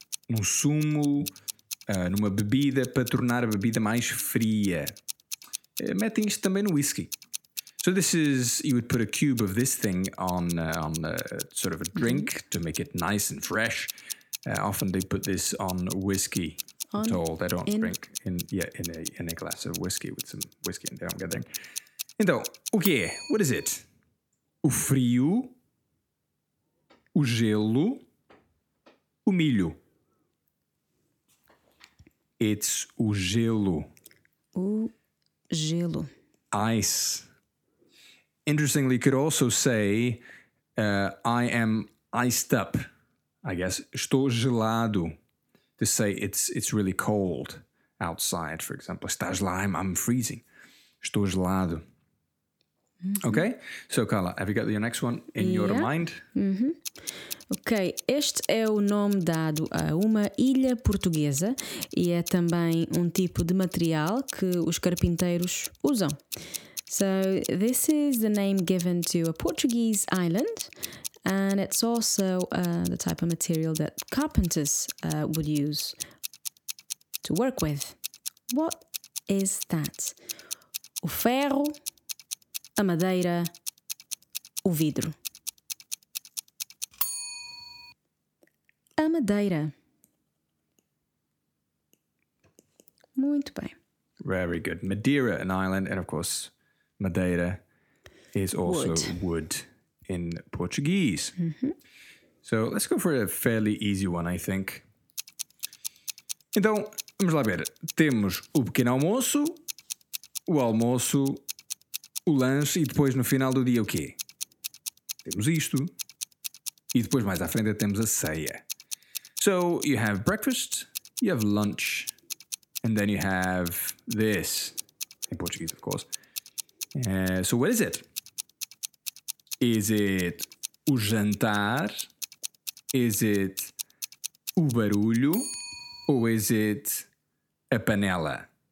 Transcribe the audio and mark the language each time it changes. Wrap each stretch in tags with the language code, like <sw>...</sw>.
<pt>um sumo numa bebida para tornar a bebida mais fria. Metem isto também no whisky.</pt> <en>So this is, you would put a cube of this thing on a, sort of a drink to make it nice and fresh. Often they put this on whiskey. On, I'm told. They don't in, drink in yeah in a glass of whiskey with some whiskey in there, I'm gathering.</en> <pt>Então, o que é?</pt> <en>What is it?</en> <pt>O frio, o gelo, o milho.</pt> <en>It's o gelo.</en> <pt>O gelo.</pt> <en>Ice. Interestingly, could also say, I am iced up, I guess.</en> <pt>Estou gelado. To say it's really cold outside, for example. Estás lá,</pt> <en>I'm freezing.</en> <pt>Estou gelado. Mm-hmm. Okay?</pt> <en>So, Carla, have you got your next one in your mind? Mm-hmm.</en> <pt>Ok, este é o nome dado a uma ilha portuguesa e é também um tipo de material que os carpinteiros usam.</pt> <en>So, this is the name given to a Portuguese island, and it's also the type of material that carpenters would use to work with. What is that?</en> <pt>O ferro, a madeira, o vidro. A madeira. Muito bem.</pt> <en>Very good. Madeira, an island, and of course... Madeira is also wood in Portuguese. Mm-hmm. So let's go for a fairly easy one, I think.</en> <pt>Então, vamos lá ver. Temos o pequeno almoço, o almoço, o lanche e depois no final do dia o quê? Temos isto. E depois mais à frente temos a ceia.</pt> <en>So you have breakfast, you have lunch, and then you have this. In Portuguese, of course. So what is it? Is it o jantar? Is it</en> <pt>o barulho?</pt> <en>Ou is it a panela?</en>